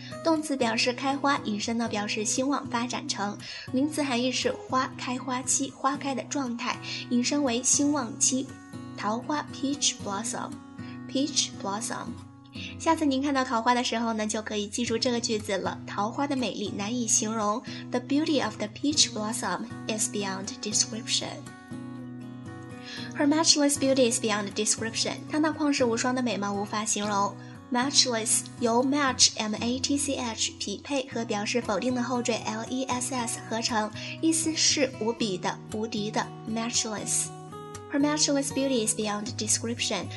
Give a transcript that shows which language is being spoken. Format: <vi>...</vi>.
<zh>动词表示开花，引申到表示兴旺发展成。名词含义是花开花期、花开的状态，引申为兴旺期。桃花</zh> <en>,peach blossom. Peach blossom.</en> <zh>下次您看到桃花的时候呢，就可以记住这个句子了。桃花的美丽难以形容。</zh> <en>The beauty of the peach blossom is beyond description. Her matchless beauty is beyond description.</en> <zh>她那旷世无双的美貌无法形容。 Matchless 由 match, M-A-T-C-H, 匹配和表示否定的后缀 L-E-S-S 合成，意思是无比的、无敌的。Matchless.</zh> <en>Her matchless beauty is beyond description.</en>